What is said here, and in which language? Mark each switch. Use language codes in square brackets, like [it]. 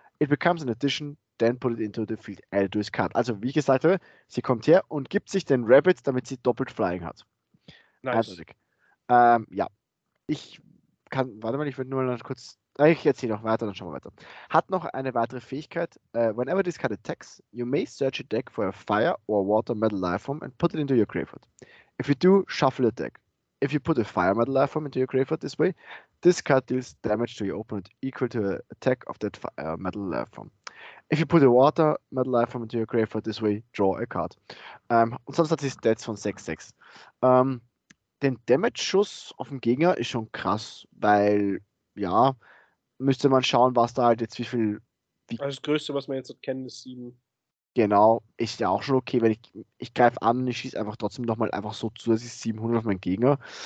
[en] It becomes an addition, then put it into the field added to his card. [de] Also, wie gesagt, sie kommt her und gibt sich den Rabbit, damit sie doppelt Flying hat. Nice. Ja. Ich kann, warte mal, ich würde nur noch kurz. Ich erzähle noch weiter, dann schauen wir weiter. Hat noch eine weitere Fähigkeit. [en] Whenever this card attacks, you may search a deck for a fire or water metal lifeform and put it into your graveyard. If you do, shuffle the deck. If you put a fire metal lifeform into your graveyard this way, this card deals damage to your opponent equal to the attack of that fire metal lifeform. If you put a water metal lifeform into your graveyard this way, draw a card. [de] Und sonst hat sie Stats von 6-6. Den Damage-Schuss auf den Gegner ist schon krass, weil, ja, müsste man schauen, was da halt jetzt wie viel... Also das Größte, was man jetzt kennt, ist 7. Genau, ist ja auch schon okay, wenn ich greife an und ich schieße einfach trotzdem nochmal einfach so zu, dass ich 700 auf meinen Gegner.